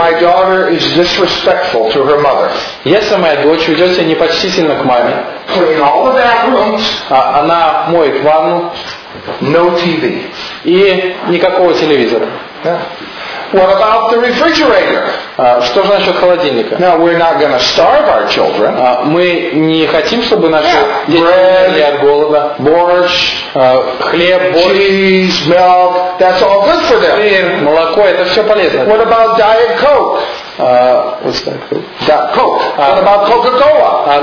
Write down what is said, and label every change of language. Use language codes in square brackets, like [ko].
[en] My daughter is disrespectful to her mother. [ru] Если моя дочь ведет себя непочтительно к маме, [en] clean all the bathrooms. [ru] Она моет ванну. [en] No TV. [ru] И никакого телевизора. [en] Yeah. What about the refrigerator? [ru] Что же насчет холодильника? [en] Now we're not going to starve our children. [ru] Мы не хотим, чтобы наши дети умерли от голода. Борщ, хлеб, [en] cheese, milk. That's all good for them. [ru] Сыр, молоко, это все полезно. [en] What about Diet Coke? What's that? Diet Coke. What about Coca-Cola?